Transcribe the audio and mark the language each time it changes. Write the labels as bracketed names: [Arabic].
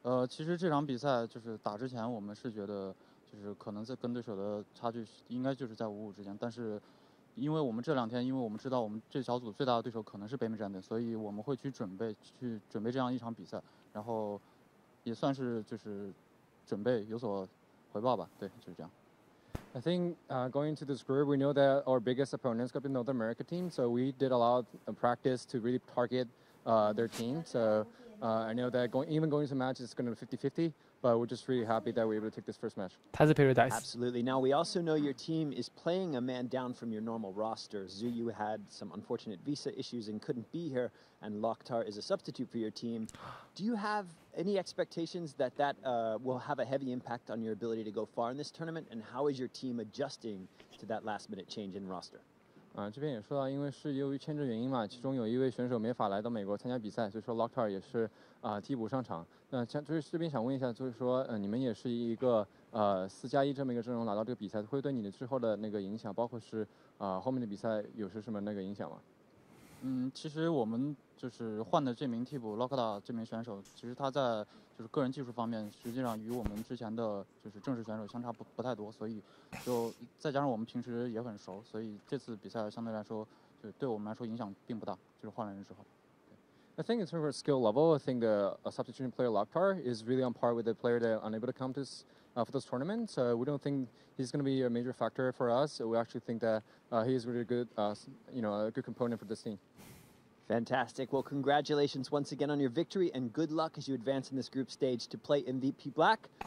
[Chinese] 其实这场比赛就是打之前我们是觉得就是可能在跟对手的差距应该就是在五五之间，但是因为我们这两天，因为我们知道我们这小组最大的对手可能是北美战队，所以我们会去准备这样一场比赛，然后也算是就是准备有所回报吧。对，就是这样。 [English] I think going into this group, we know that our biggest opponent is going to be North America team, so we did a lot of practice to really targettheir team. So I know that going to the match is going to be 50-50, but we're just really happy that we're able to take this first match. Tazza Paradise. Absolutely. Now, we also know your team is playing a man down from your normal roster. Zuyu had some unfortunate visa issues and couldn't be here, and Loktar is a substitute for your team. Do you have any expectations that will have a heavy impact on your ability to go far in this tournament, and how is your team adjusting to that last-minute change in roster? [Chinese] 这边也说到，因为是由于签证原因嘛，其中有一位选手没法来到美国参加比赛，所以说 Loktar 也是替补上场。那就是这边想问一下，就是说你们也是一个4+1这么一个阵容来到这个比赛，会对你的之后的那个影响，包括是后面的比赛有什么那个影响吗？其实我们就是换的这名替补 Loktar 这名选手，其实他在就是个人技术方面，实际上与我们之前的就是正式选手相差不太多，所以就再加上我们平时也很熟，所以这次比赛相对来说，就对我们来说影响并不大，就是换了人之后。 [English] I think in terms of skill level, I think a substitution player Loktar is really on par with the player that unable to come to for this tournament. So we don't think he's going to be a major factor for us. We actually think that he is really good, a good component for this team. Fantastic. Well, congratulations once again on your victory and good luck as you advance in this group stage to play MVP Black.